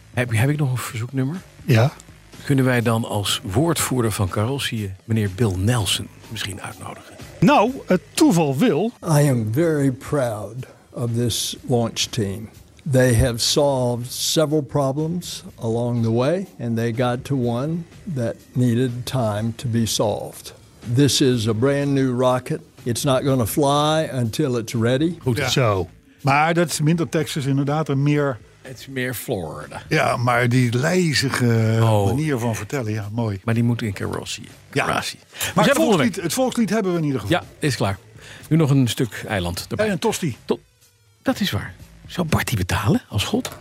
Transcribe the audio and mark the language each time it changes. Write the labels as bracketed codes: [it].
[nl] Heb ik nog een verzoeknummer? Ja. Kunnen wij dan als woordvoerder van carrossieën meneer Bill Nelson misschien uitnodigen? Nou, het toeval wil. [en] I am very proud of this launch team. They have solved several problems along the way and they got to one that needed time to be solved. This is a brand new rocket. It's not going to fly until it's ready. [nl] Goed zo. Maar dat is minder Texas inderdaad en meer. Het is meer Florida. Ja, maar die lijzige manier van vertellen, ja, mooi. Maar die moet in carrossie. Ja. Maar het volkslied hebben we in ieder geval. Ja, is klaar. Nu nog een stuk eiland erbij. En een tosti. Dat is waar. Zou Bart die betalen als god?